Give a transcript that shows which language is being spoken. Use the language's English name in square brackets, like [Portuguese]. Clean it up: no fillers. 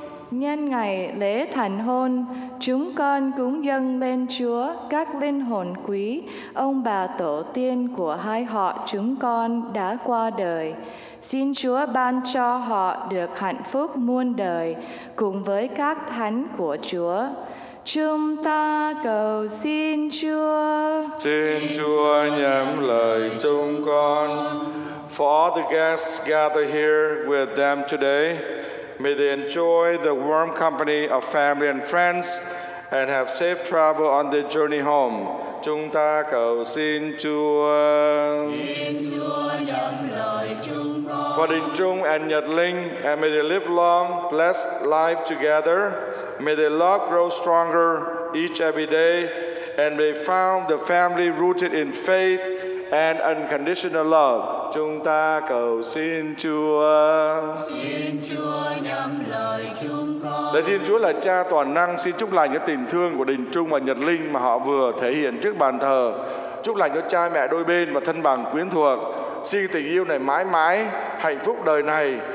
[Vietnamese] Nhân ngày lễ thành hôn, chúng con cũng dâng lên Chúa các linh hồn quý, ông bà tổ tiên của hai họ chúng con đã qua đời. Xin Chúa ban cho họ được hạnh phúc muôn đời cùng với các thánh của Chúa. Chúng ta cầu xin Chúa. Xin Chúa nhắm lời chúng con. [English] For all the guests gathered here with them today, may they enjoy the warm company of family and friends and have safe travel on their journey home. [Vietnamese] Chúng ta cầu xin Chúa. Xin Chúa nhắm lời chúng con. [English] For Đình Trung and Nhật Linh, and may they live long, blessed life together. May their love grow stronger each every day, and may found the family rooted in faith and unconditional love. [Vietnamese] Chúng ta cầu xin Chúa. Xin Chúa nhắm lời chúng con. Lạy Thiên Chúa là Cha toàn năng, xin chúc lành cho tình thương của Đình Trung và Nhật Linh mà họ vừa thể hiện trước bàn thờ. Chúc lành cho cha mẹ đôi bên và thân bằng quyến thuộc. Xin tình yêu này mãi mãi hạnh phúc đời này,